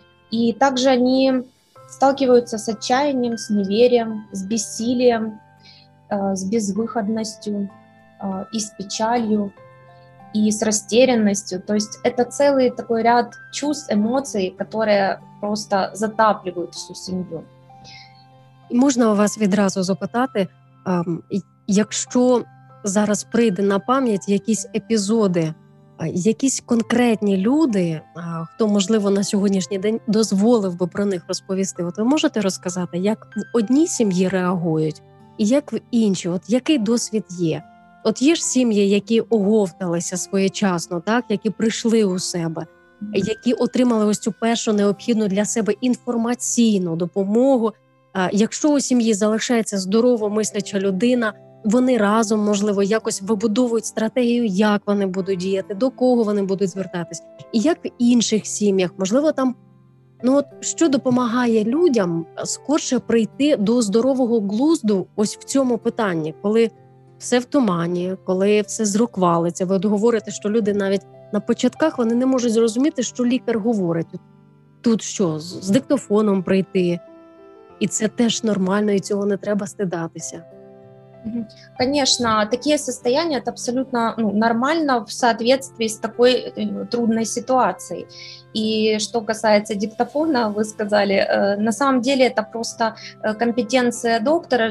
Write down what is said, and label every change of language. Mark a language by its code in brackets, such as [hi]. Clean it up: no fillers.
[ru] И также они сталкиваются с отчаянием, с неверием, с бессилием, с безвыходностью, и с печалью, и с растерянностью. То есть это целый такой ряд чувств, эмоций, которые просто затапливают всю семью. [uk] Можна у вас відразу запитати, якщо зараз прийде на пам'ять якісь епізоди, якісь конкретні люди, хто, можливо, на сьогоднішній день дозволив би про них розповісти, от ви можете розказати, як в одній сім'ї реагують і як в іншій, от який досвід є? От є ж сім'ї, які оговталися своєчасно, так, які прийшли у себе, які отримали ось цю першу необхідну для себе інформаційну допомогу. Якщо у сім'ї залишається здорово мисляча людина, вони разом, можливо, якось вибудовують стратегію, як вони будуть діяти, до кого вони будуть звертатись. І як в інших сім'ях, можливо, там, ну от, що допомагає людям скорше прийти до здорового глузду ось в цьому питанні, коли все в тумані, коли все зруквалиться. Ви от говорите, що люди навіть на початках вони не можуть зрозуміти, що лікар говорить. Тут що, з диктофоном прийти? [ru] И это тоже нормально, и этого не треба стыдаться. Конечно, такие состояния это абсолютно нормально в соответствии с такой трудной ситуацией. И что касается диктофона, вы сказали, на самом деле это просто компетенция доктора.